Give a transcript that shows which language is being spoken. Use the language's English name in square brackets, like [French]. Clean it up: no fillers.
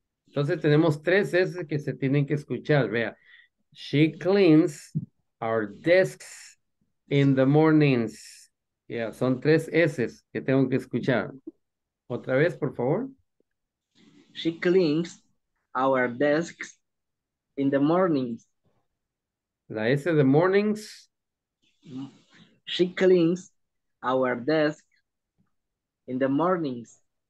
[Spanish] Entonces tenemos tres S que se tienen que escuchar. [English] Vea, she cleans our desks in the mornings. [Spanish] Yeah, son tres S que tengo que escuchar. Otra vez, por favor. [English] She cleans our desks in the mornings. [Spanish] La S de mornings. [English] She cleans our desk in the mornings.